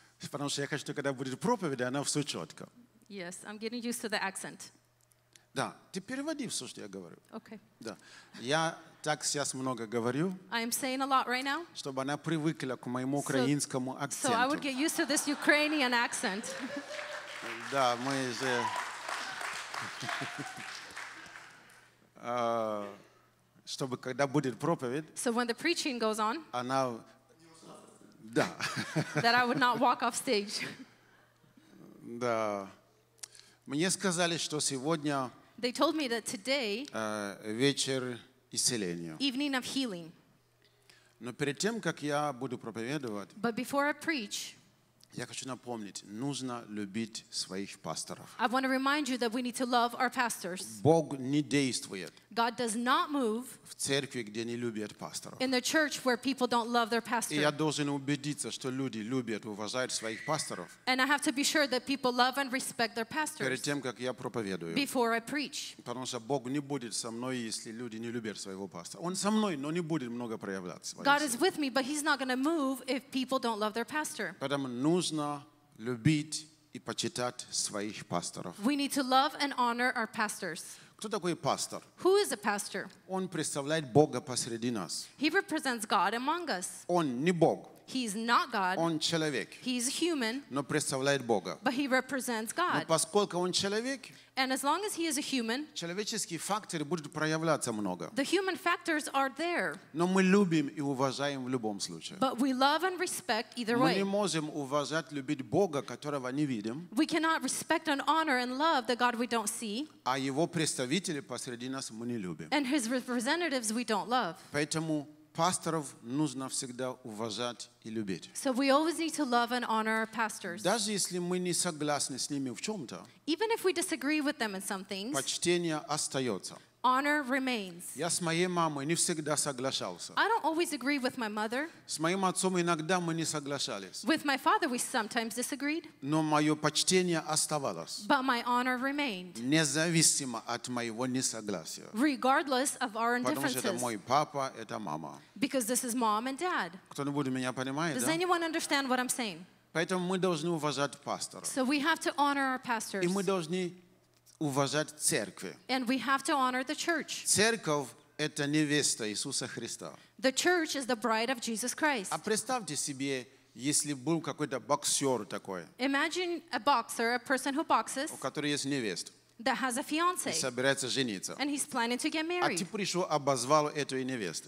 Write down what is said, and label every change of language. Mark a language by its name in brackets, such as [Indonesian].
[Russian] Потому что я хочу, когда будет проповедь, она все четко. [English] Yes, I'm getting used to the accent. [Russian] Да, ты переводи все, что я говорю. [English] Okay. [Russian] Да. Я так сейчас много говорю. [English] I am saying a lot right now. [Russian] Чтобы она привыкла к моему украинскому акценту. [English] So I would get used to this Ukrainian accent. [Russian] Да, мы же... чтобы когда будет проповедь, [English] so when the preaching goes on, [Russian] она, да, [English] that I would not walk off stage. [Russian] Да, мне сказали, что сегодня, [English] they told me that today, [Russian] вечер исцеления, [English] evening of healing. [Russian] Но перед тем, как я буду проповедовать, [English] but before I preach, [Russian] я хочу напомнить, нужно любить своих пасторов. [English] I want to remind you that we need to love our pastors. [Russian] Бог не действует. [English] God does not move. [Russian] В церкви, где не любят пасторов. [English] In the church where people don't love their pastor. [Russian] И я должен убедиться, что люди любят, уважают своих пасторов. [English] And I have to be sure that people love and respect their pastors. [Russian] Перед тем, как я проповедую. [English] Before I preach. [Russian] Потому что Бог не будет со мной, если люди не любят своего пастора. Он со мной, но не будет много проявляться. [English] God is with me, but He's not going to move if people don't love their pastor. [Russian] Нужно любить и почитать своих пасторов. [English] We need to love and honor our pastors. [Russian] Кто такой пастор? [English] Who is a pastor? [Russian] Он представляет Бога посреди нас. [English] He represents God among us. [Russian] Он не Бог. [English] He's not God. [Russian] Он человек. [English] He's human. [Russian] Но представляет Бога. [English] But he represents God. [Russian] Но поскольку он человек, [English] and as long as he is a human, [Russian] человеческие факторы будут проявляться много. [English] The human factors are there. [Russian] Но мы любим и уважаем в любом случае. [English] But we love and respect either [Russian] мы [English] way. [Russian] Мы не можем уважать, любить Бога, которого не видим. [English] We cannot respect and honor and love the God we don't see. [Russian] А его представителей посреди нас мы не любим. [English] And his representatives we don't love. [Russian] Поэтому пасторов нужно всегда уважать и любить. [English] So we always need to love and honor our pastors. [Russian] Даже если мы не согласны с ними в чем-то, [English] even if we disagree with them in some things, [Russian] почтение остается. [English] Honor remains. [Russian] Я с моей мамой не всегда соглашался. [English] I don't always agree with my mother. [Russian] С моим отцом иногда мы не соглашались. [English] With my father we sometimes disagreed. [Russian] Но мое почтение оставалось. [English] But my honor remained. [Russian] Независимо от моего несогласия. [English] Regardless of our indifferences. [Russian] Потому что это мой папа, это мама. [English] Because this is mom and dad. [Russian] Кто-нибудь меня понимает, [English] does [Russian] да? [English] anyone understand what I'm saying? [Russian] Поэтому мы должны уважать пастора. [English] So we have to honor our pastors. [Russian] И мы должны уважать церкви. [English] And we have to honor the church. [Russian] Церковь — это невеста Иисуса Христа. [English] The church is the bride of Jesus Christ. [Russian] А представьте себе, если был какой-то боксер такой. [English] Imagine a boxer, a person who boxes. [Russian] У которого есть невеста. [English] That has a fiance. [Russian] И собирается жениться. [English] And he's planning to get married. [Russian] А ты пришел, обозвал эту невесту.